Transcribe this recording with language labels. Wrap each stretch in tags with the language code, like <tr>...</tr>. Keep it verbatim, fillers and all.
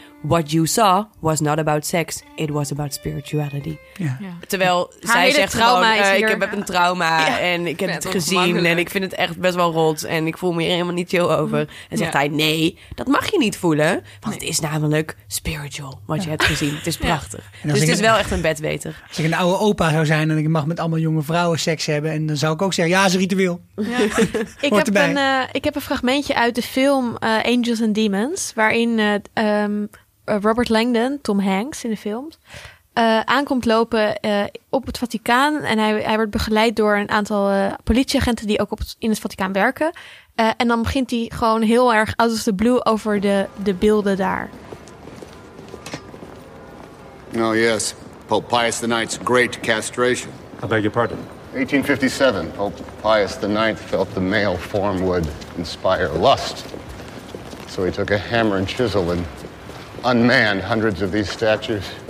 <en>What you saw was not about sex, it was about spirituality.</en> <nl>Ja. Ja. Terwijl haar zij zegt gewoon, uh, ik heb een trauma ja. en ik heb het gezien en ik vind het echt best wel rot en ik voel me hier helemaal niet chill over. En zegt ja. hij, nee, dat mag je niet voelen, want nee. het is namelijk spiritual, wat ja. je hebt gezien. Het is prachtig. Ja. Dus het is wel echt een bedweter. Als ik een oude opa zou zijn en ik mag met allemaal jonge vrouwen seks hebben, en dan zou ik ook zeggen, ja, is een ritueel. Ja. ik, heb een, uh, ik heb een fragmentje uit de film uh, Angels and Demons, waarin Uh, um, Robert Langdon, Tom Hanks in de films, uh, aankomt lopen uh, op het Vaticaan. En hij, hij wordt begeleid door een aantal uh, politieagenten die ook op het, in het Vaticaan werken. Uh, en dan begint hij gewoon heel erg out of the blue over de, de beelden daar.</nl> <en>Oh yes, Pope Pius the ninth's great castration. I beg your pardon. eighteen fifty-seven, Pope Pius the ninth felt the male form would inspire lust. So he took a hammer and chisel and unmanned hundreds of these statues.</en>